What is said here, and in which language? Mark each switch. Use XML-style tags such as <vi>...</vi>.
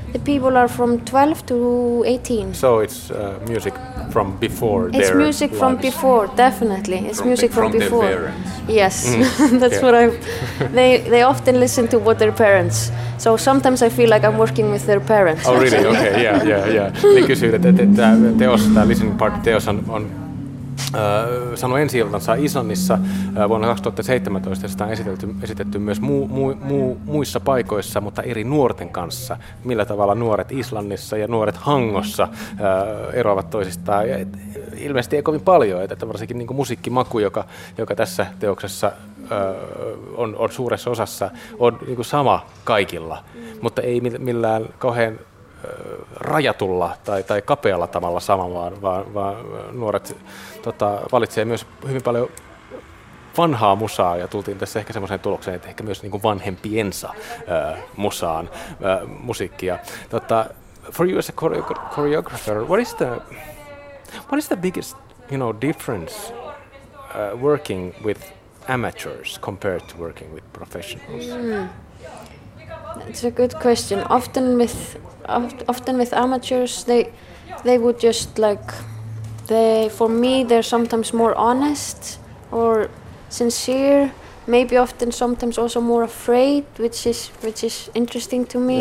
<en>The people are from 12 to 18. So it's music from before. It's their It's music lives. From before, definitely. It's from music from before. Their parents. Yes, that's what I'm. They often listen to what their parents. So sometimes I feel like I'm working with their parents. Oh really? Okay. Yeah.</en> <fi>Niin kysyin, että teos, tämä listening party -teos on sanoi ensi iltansa Islannissa vuonna 2017. Sitä on esitetty myös muissa paikoissa, mutta eri nuorten kanssa. Millä tavalla nuoret Islannissa ja nuoret Hangossa eroavat toisistaan? Ja ilmeisesti ei kovin paljon, että varsinkin niin kuin musiikkimaku, joka tässä teoksessa on suuressa osassa, on niin kuin sama kaikilla, mutta ei millään kauhean rajatulla tai kapealla tavalla sama, vaan nuoret valitsee myös hyvin paljon vanhaa musaa, ja tultiin tässä ehkä semmoiseen tulokseen, että ehkä myös niin kuin vanhempiensa musaan musiikkia.</fi> <en>For you as a choreographer, what is the biggest, you know, difference working with amateurs compared to working with professionals? That's a good question. Often with amateurs, they would just like, they, for me, they're sometimes more honest or sincere, maybe often sometimes also more afraid, which is interesting to me.</en>